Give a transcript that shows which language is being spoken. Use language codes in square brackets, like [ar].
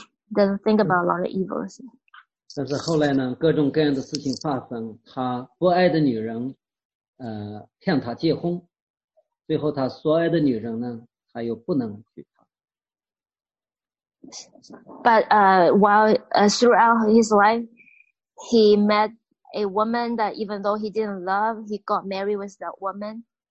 [en] Doesn't think about a lot of evils. [zh] 但是后来呢，各种各样的事情发生，他不爱的女人，向他结婚，最后他所爱的女人呢，他又不能娶她。 [en] But throughout his life, he met a woman that even though he didn't love, he got married with that woman.